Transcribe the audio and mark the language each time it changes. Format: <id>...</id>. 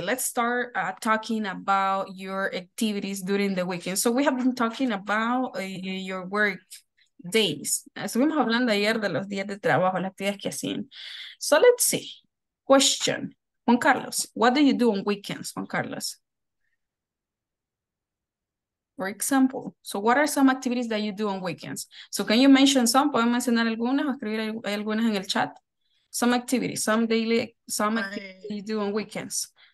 <en>Let's start talking about your activities during the weekend. So we have been talking about your work days.</en> <es>Estuvimos hablando ayer de los días de trabajo, las actividades que hacían.</es> <en>So let's see. Question. Juan Carlos, what do you do on weekends, Juan Carlos? For example, so what are some activities that you do on weekends? So can you mention some?</en> <es>¿Pueden mencionar algunas o escribir algunas en el chat?</es> <en>Some activities, some daily, some activities you do on weekends.</en>